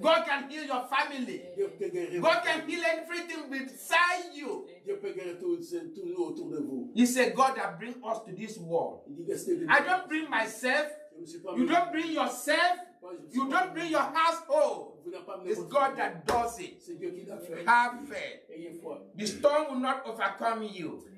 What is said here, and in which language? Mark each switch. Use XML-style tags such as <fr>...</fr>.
<en>God can heal your family.</en> <fr>Dieu peut guérir</fr> <en>God can heal everything beside you.</en> <fr>Dieu peut guérir tout autour de vous.</fr> <en>He said, "God that bring us to this world." I don't bring myself. You don't bring yourself. You don't bring your household. It's God that does it.</en> <fr>C'est Dieu qui l'a fait.</fr> <en>Have faith.</en> <fr>Ayez foi.</fr> <en>The storm will not overcome you.</en>